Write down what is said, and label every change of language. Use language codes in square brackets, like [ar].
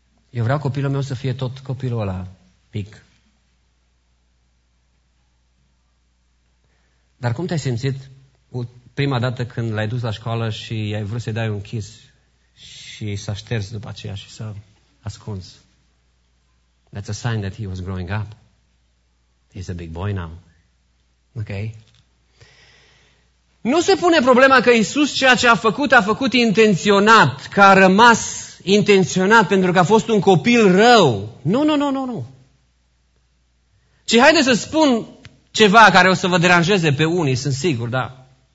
[ro] Eu vreau copilul meu să fie tot copilul ăla mic. Dar cum te-ai simțit prima dată când l-ai dus la școală și ai vrut să-i dai un kiss și s-a șters după aceea și s-a ascuns? [en] That's a sign that he was growing up. He's a big boy now. Ok? [ro] Nu se pune problema că Iisus ceea ce a făcut, a făcut intenționat, că a rămas intenționat pentru că a fost un copil rău. Nu. Ci haide să spun ceva care o să vă deranjeze pe unii, sunt sigur, da.